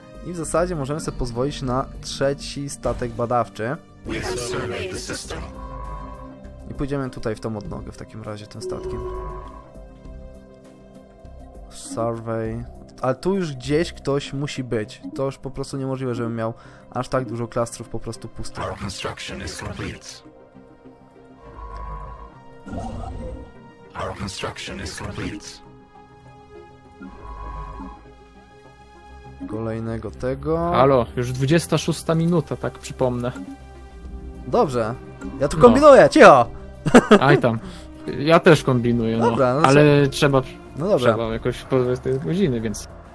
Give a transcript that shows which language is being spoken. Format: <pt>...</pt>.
<pl>I w zasadzie możemy sobie pozwolić na trzeci statek badawczy. I pójdziemy tutaj w tą odnogę w takim razie, tym statkiem. Survey... Ale tu już gdzieś ktoś musi być. To już po prostu niemożliwe, żebym miał aż tak dużo klastrów po prostu pustych.</pl> <en>Our construction is complete. Our construction is complete.</en> <pl>Kolejnego tego... Halo, już 26 minuta, tak przypomnę. Dobrze. Ja tu kombinuję, cicho! Aj tam. Ja też kombinuję, dobra, no. Ale trzeba... No dobra. Trzeba jakoś pozwolić tej godziny, więc...</pl>